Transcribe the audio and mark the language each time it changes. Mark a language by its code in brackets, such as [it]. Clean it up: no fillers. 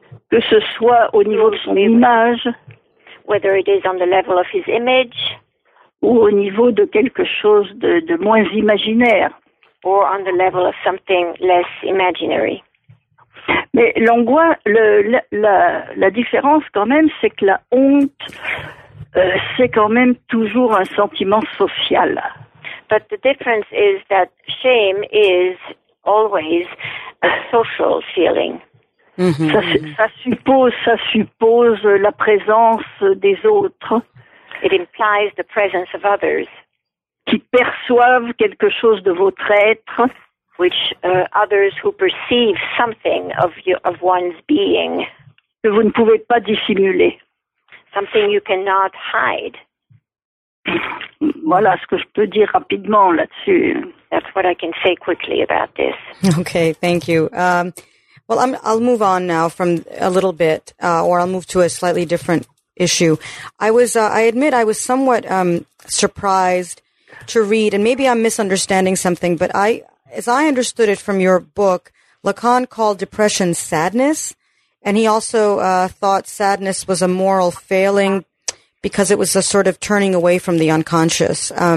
[fr] Que ce soit au niveau de son image, [en] whether it is on the level of his image, [fr] ou au niveau de quelque chose de moins imaginaire, [en] or on the level of something less imaginary. [fr] Mais l'angoisse, la différence quand même, c'est que la honte, c'est quand même toujours un sentiment social. [en] But the difference is that shame is always a social feeling. [fr] Ça suppose la présence des autres. [en] It implies the presence of others. [fr] Qui perçoivent quelque chose de votre être. [en] Which others who perceive something of one's being. [fr] Que vous ne pouvez pas dissimuler. [en] Something you cannot hide. [fr] Voilà ce que je peux dire rapidement là-dessus. [en] That's what I can say quickly about this. Okay, thank you. Well, I'll move on now from a little bit, or I'll move to a slightly different issue. I admit I was somewhat surprised to read, and maybe I'm misunderstanding something, but as I understood it from your book, Lacan called depression sadness, and he also thought sadness was a moral failing because it was a sort of turning away from the unconscious.